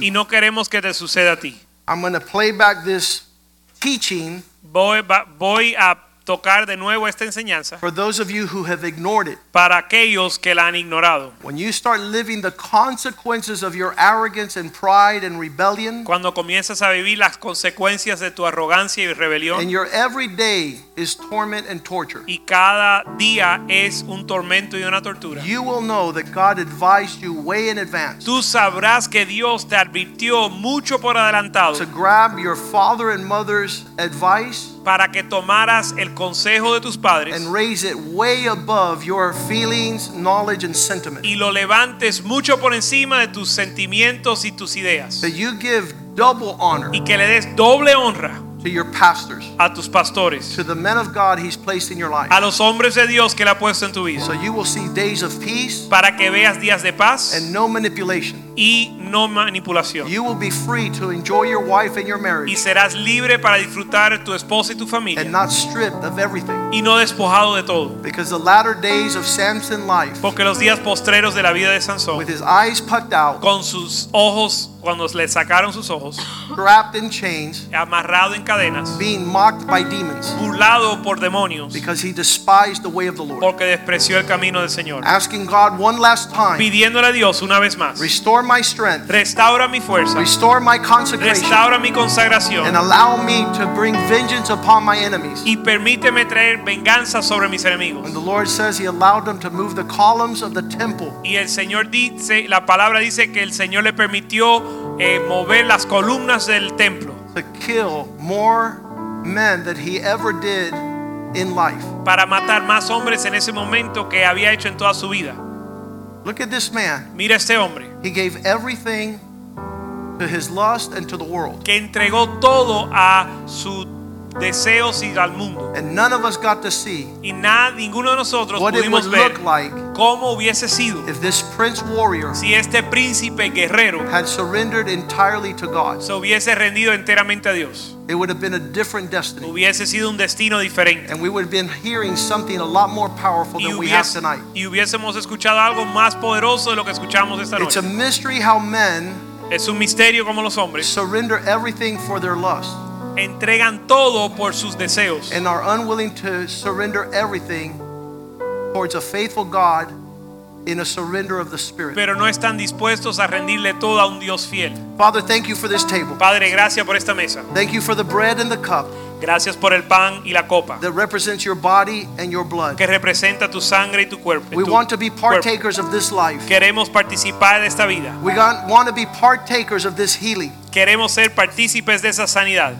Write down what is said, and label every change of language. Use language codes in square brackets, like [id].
[es] Y no queremos que te suceda a ti. [en] I'm going to play back this teaching. [es] Voy a tocar de nuevo esta enseñanza. [en] For those of you who have ignored it. [es] Para aquellos que la han ignorado. [en] When you start living the consequences of your arrogance and pride and rebellion. [es] Cuando comienzas a vivir las consecuencias de tu arrogancia y rebelión. [en] And your every day is torment and torture. [es] Y cada día es un tormento y una tortura. [en] You will know that God advised you way in advance. [es] Tú sabrás que Dios te advirtió mucho por adelantado. [en] To grab your father and mother's advice. [es] Para que tomaras el consejo de tus padres. [en] And raise it way above your feelings, knowledge, and sentiment. [es] Y lo levantes mucho por encima de tus sentimientos y tus ideas. [en] That you give double honor. [es] Y que le des doble honra. [en] To your pastors. [es] A tus pastores. [en] To the men of God he's placed in your life. [es] A los hombres de Dios que le ha puesto en tu vida. [en] So you will see days of peace. [es] Para que veas días de paz. [en] And no manipulation. [es] Y no manipulación. [en] You will be free to enjoy your wife and your marriage. [es] Y serás libre para disfrutar tu esposa y tu familia. [en] And not stripped of everything. [es] Y no despojado de todo. [en] Because the latter days of Samson's life. [es] Porque los días postreros de la vida de Sansón. [en] With his eyes plucked out. [es] Con sus ojos, cuando le sacaron sus ojos. [en] Wrapped in chains. [es] Amarrado en cadenas. cadenas, [en] being mocked by demons, [es] burlado por demonios, [en] because he despised the way of the Lord, [es] porque despreció el camino del Señor. [en] Asking God one last time, [es] pidiéndole a Dios una vez más, [en] restore my strength, [es] restaura mi fuerza, [en] restore my consecration, [es] restaura mi consagración, [en] and allow me to bring vengeance upon my enemies, [es] y permíteme traer venganza sobre mis enemigos. [en] And the Lord says he allowed them to move the columns of the temple, [es] y el Señor dice, la palabra dice que el Señor le permitió mover las columnas del templo, [en] to kill more men than he ever did in life, [es] para matar más hombres en ese momento que había hecho en toda su vida. [en] Look at this man. [es] Mira este hombre. [en] He gave everything to his lust and to the world. [es] Que entregó todo a sus deseos y al mundo. [en] And none of us got to see. [es] Y ninguno de nosotros pudimos ver cómo hubiese sido [en] if this prince warrior, [es] si este príncipe guerrero, [en] had surrendered entirely to God. [es] Se hubiese rendido enteramente a Dios. [en] It would have been a different destiny. [es] Hubiese sido un destino diferente. [en] And we would have been hearing something a lot more powerful than we have tonight. [es] Y hubiésemos escuchado algo más poderoso de lo que escuchamos esta noche. [en] It's a mystery how men, [es] es un misterio como los hombres, [en] surrender everything for their lust, [es] entregan todo por sus deseos, [en] and are unwilling to surrender everything towards a faithful God in a surrender of the spirit. [es] Pero no están dispuestos a rendirle todo a un Dios fiel. [en] Father, thank you for this table. [es] Padre, gracias por esta mesa. [en] Thank you for the bread and the cup. [es] Gracias por el pan y la copa. [en] That represents your body and your blood. [es] Que representa tu sangre y tu cuerpo. [en] We want to be partakers of this life. [es] Queremos participar de esta vida. [en] We want to be partakers of this healing. [es] Queremos ser partícipes de esa sanidad.